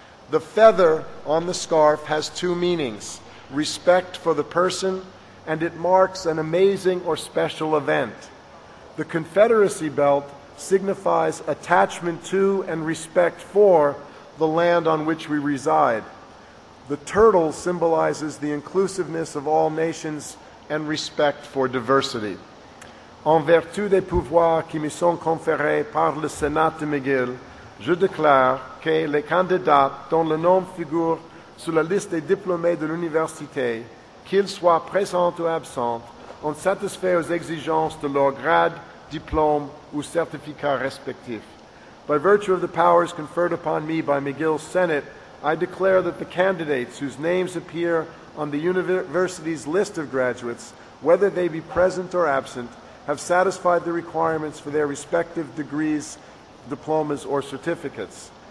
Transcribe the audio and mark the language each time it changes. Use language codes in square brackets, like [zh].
[en] The feather on the scarf has two meanings: respect for the person, and it marks an amazing or special event. The Confederacy belt signifies attachment to and respect for the land on which we reside. The turtle symbolizes the inclusiveness of all nations and respect for diversity. [fr] En vertu des pouvoirs qui me sont conférés par le Sénat de McGill, je déclare que les candidats dont le nom figure sur la liste des diplômés de l'université, qu'ils soient présents ou absents, ont satisfait aux exigences de leur grade, diplôme ou certificat respectif. [en] By virtue of the powers conferred upon me by McGill's Senate, I declare that the candidates whose names appear on the university's list of graduates, whether they be present or absent, have satisfied the requirements for their respective degrees, diplomas, or certificates.